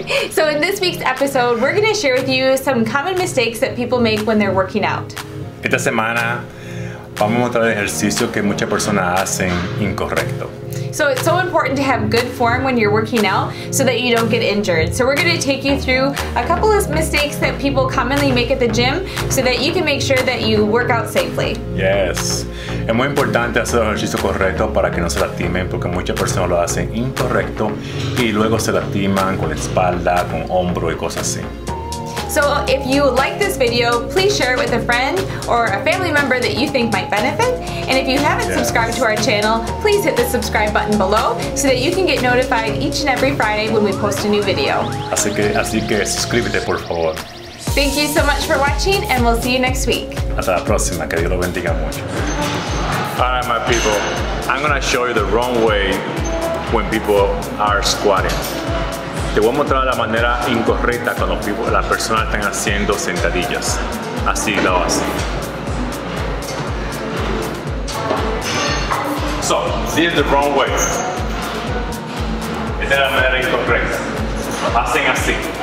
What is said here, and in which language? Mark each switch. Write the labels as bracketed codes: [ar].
[en] So in this week's episode, we're going to share with you some common mistakes that people make when they're working out. [es] Esta semana, vamos a mostrar ejercicios que muchas personas hacen incorrecto. [en] So it's so important to have good form when you're working out so that you don't get injured. So we're going to take you through a couple of mistakes that people commonly make at the gym so that you can make sure that you work out safely. Yes. [es] Es muy importante hacer el ejercicio correcto para que no se lastimen, porque muchas personas lo hacen incorrecto y luego se lastiman con la espalda, con hombro y cosas así. [en] So if you like this video, please share it with a friend or a family member that you think might benefit. And if you haven't subscribed to our channel, please hit the subscribe button below so that you can get notified each and every Friday when we post a new video. [es] Así que suscríbete, por favor. [en] Thank you so much for watching, and we'll see you next week. [es] Hasta la próxima. Que Dios lo bendiga mucho. [en] All right, my people. I'm going to show you the wrong way when people are squatting. [es] Te voy a mostrar la manera incorrecta cuando las personas están haciendo sentadillas. Así, la base. [en] So, this is the wrong way. [es] Esta es la manera incorrecta. Lo hacen así.